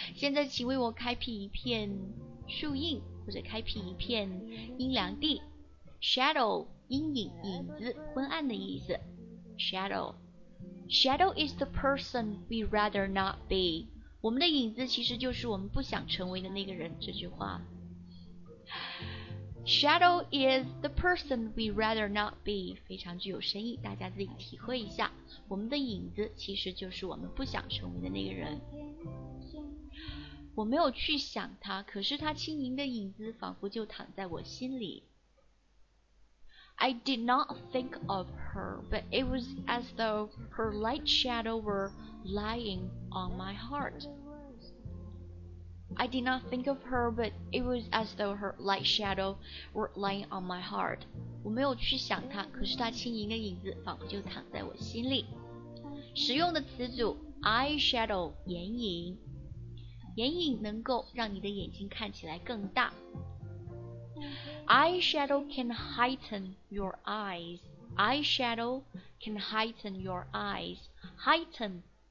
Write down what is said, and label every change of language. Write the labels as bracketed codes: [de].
[zh] 现在请为我开辟一片树荫，或者开辟一片阴凉地。 Shadow, 阴影、影子、昏暗的意思。Shadow. [en] Shadow is the person we rather not be. [zh] 我们的影子其实就是我们不想成为的那个人，这句话。 [en] Shadow is the person we'd rather not be. [zh] 非常具有深意，大家自己体会一下。我们的影子其实就是我们不想成为的那个人。我没有去想他，可是他轻盈的影子仿佛就躺在我心里。 [en] I did not think of her, but it was as though her light shadow were lying on my heart. I did not think of her, but it was as though her light shadow were lying on my heart. [zh] 我没有去想她，可是她轻盈的影子仿佛就躺在我心里。使用的词组 eye shadow 眼影，眼影能够让你的眼睛看起来更大。 [en] Eyeshadow can heighten your eyes. Eyeshadow can heighten your eyes. Heighten.